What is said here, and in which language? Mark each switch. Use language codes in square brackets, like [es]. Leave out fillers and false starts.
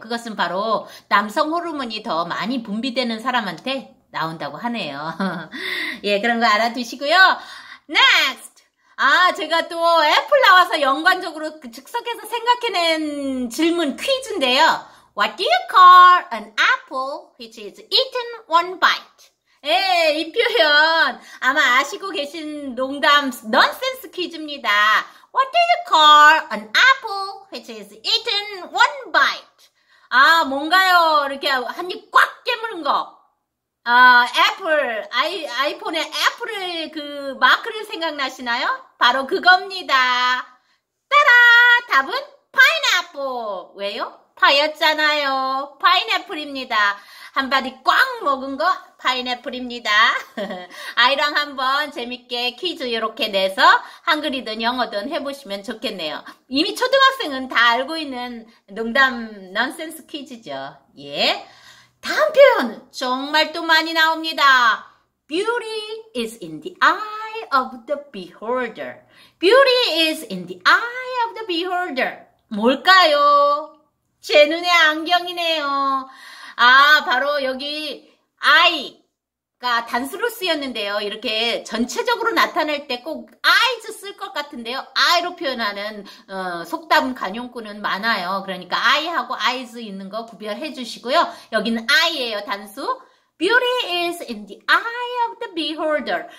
[ko] 그것은 바로 남성 호르몬이 더 많이 분비되는 사람한테 나온다고 하네요. 예, 그런 거 알아두시고요. [en] Next! [ko] 아, 제가 또 애플 나와서 연관적으로 즉석해서 생각해낸 질문 퀴즈인데요. [en] What do you call an apple which is eaten one bite? [ko] 예, 이 표현 아마 아시고 계신 농담 넌센스 퀴즈입니다. [en] What do you call an apple which is eaten one bite? [ko] 아, 뭔가요? 이렇게 한 입 꽉 깨물은 거. 아, 애플, 아이폰의 애플의 그 마크를 생각나시나요? 바로 그겁니다. 따라! 답은 파인애플. 왜요? 파였잖아요. 파인애플입니다. 한 바디 꽉 먹은 거 파인애플입니다. 아이랑 한번 재밌게 퀴즈 이렇게 내서 한글이든 영어든 해보시면 좋겠네요. 이미 초등학생은 다 알고 있는 농담 넌센스 퀴즈죠. 예. 다음 표현 정말 또 많이 나옵니다. [en] Beauty is in the eye of the beholder. Beauty is in the eye of the beholder. [ko] 뭘까요? 제 눈의 안경이네요. 아, 바로 여기 I가 단수로 쓰였는데요. 이렇게 전체적으로 나타낼 때 꼭 eyes 쓸 것 같은데요. I로 표현하는 속담 관용구는 많아요. 그러니까 I하고 eyes 있는 거 구별해 주시고요. 여기는 I예요, 단수. [en] Beauty is in the eye of the beholder.